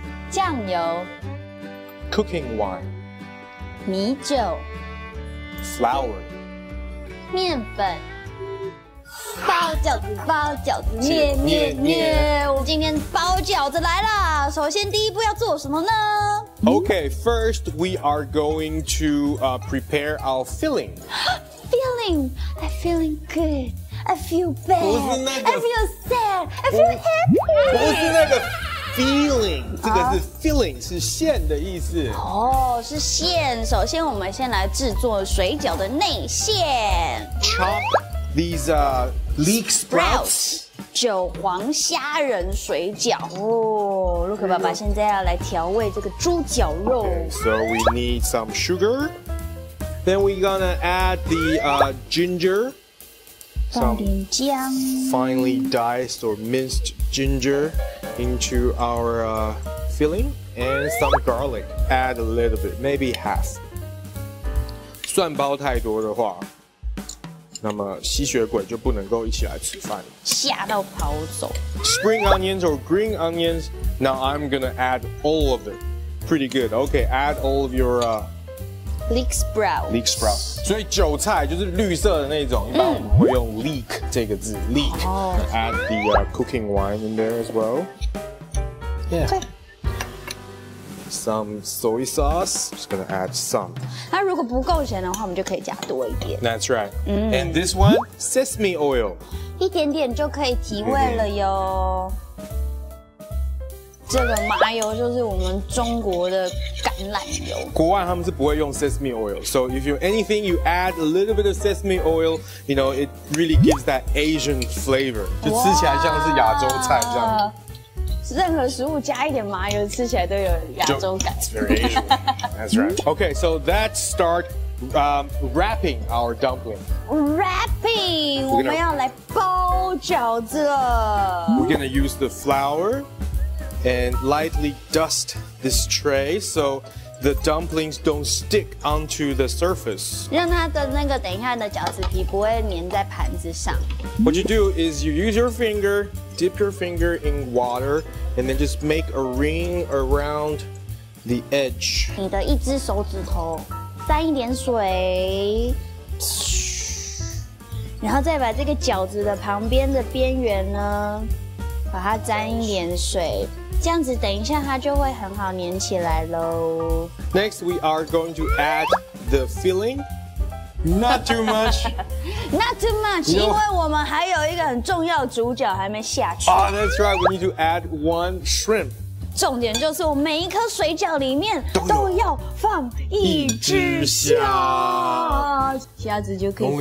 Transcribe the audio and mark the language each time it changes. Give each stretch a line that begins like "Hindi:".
Chinese: 酱油
English: cooking wine
Chinese: 米酒
English: flour
Chinese: 面粉包饺子包饺子捏捏捏我今天包饺子来了首先第一步要做什么呢
English: OK, first we are going to prepare our filling I feeling good. I feel bad. I feel sad. I feel happy.
Chinese: 不是那个 feeling， 这个是 filling， 是馅的意思。哦，是馅。首先，我们先来制作水饺的内馅。
English: Chop these leek sprouts.
Chinese: 韭黄虾仁水饺。哦 ，Luke 爸爸现在要来调味这个猪脚肉。
English: Okay, so we need some sugar. Then we're gonna add the ginger.
Chinese: 放点姜。
English: Finely diced or minced ginger into our filling. And some garlic. Add a little bit, maybe half.
Chinese: 蒜包太多的话，那么吸血鬼就不能够一起来吃饭了，吓到跑走。
English: Spring onions or green onions. Now I'm gonna add all of it. Pretty good. Okay, add all of your leek sprout. Leek sprout.
Chinese: 所以韭菜就是绿色的那种，一般我们会用 leek 这个字 leek.、Oh.
English: Add the cooking wine in there as well. Yeah.、Okay. Some soy sauce. Just gonna add some.
Chinese: 那如果不够咸的话，我们就可以加多一点。
English: That's right.、Mm. And this one, sesame oil.
Chinese: 一点点就可以提味了哟。这个麻油就是我们中国的橄榄油。国外他们是不会用 sesame oil.
English: So if you anything, you add a little bit of sesame oil. You know, it really gives that Asian flavor.
Chinese: 就吃起来像是亚洲菜这样。任何食物加一点麻油，吃起来都有亚洲感。
English: It's very Asian. That's right. Okay, so let's start wrapping our dumpling. Wrapping. We're gonna,
Chinese: 我们要来包饺子了。
English: We're gonna use the flour and lightly dust this tray so the dumplings don't stick onto the surface.
Chinese: 让它的那个等一下的饺子皮不会粘在盘子上。
English: What you do is you use your finger. Dip your finger in water, and then just make a ring around the edge.
Chinese: 你的一只手指头沾一点水，然后再把这个饺子的旁边的边缘呢，把它沾一点水，这样子等一下它就会很好粘起来咯。
English: Next, we are going to add the filling. Not too much. Not too much, no.
Chinese: 因为我们还有一个很重要主角还没下去。
English: Oh, that's right, we need to add one shrimp.
Chinese: 重点就是我每一颗水饺里面都要放一只虾。虾子就可以放